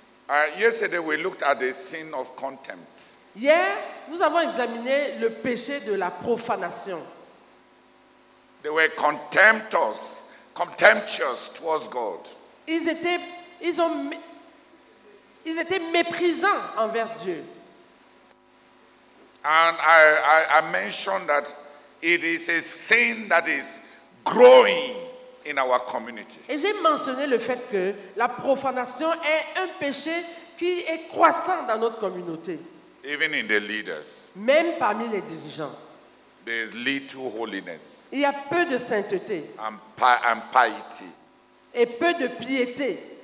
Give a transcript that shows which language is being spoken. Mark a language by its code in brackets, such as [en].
[en] Yesterday we looked at the sin of contempt. [fr] Hier, nous avons examiné le péché de la profanation. [en] They were contemptuous towards God. [fr] Ils étaient méprisants envers Dieu. [en] And I mentioned that it is a sin that is growing in our community. [fr] Et j'ai mentionné le fait que la profanation est un péché qui est croissant dans notre communauté. [en] Even in the leaders. [fr] Même parmi les dirigeants. [en] There is little holiness. [fr] Il y a peu de sainteté. [en] And piety. [fr] Et peu de piété.